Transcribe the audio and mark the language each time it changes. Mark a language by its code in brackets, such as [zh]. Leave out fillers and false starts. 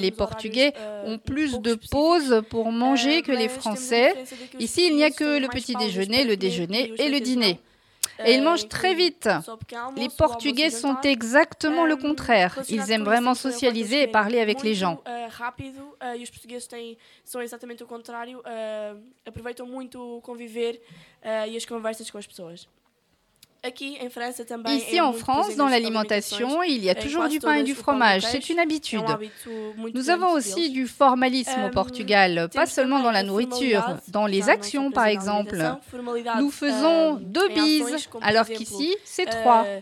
[fr] Les Portugais ont plus de pauses pour manger que les Français. Ici, il n'y a que le petit déjeuner, le déjeuner et le dîner. Et ils mangent très vite. Les Portugais sont exactement le contraire. Ils aiment vraiment socialiser et parler avec les gens. [pt] Aproveitam muito conviver e as conversas com as pessoas. [fr] Ici en France, dans l'alimentation, il y a toujours du pain et du fromage. C'est une habitude. Nous avons aussi du formalisme au Portugal, pas seulement dans la nourriture, dans les actions par exemple. Nous faisons deux bises, alors qu'ici, c'est trois.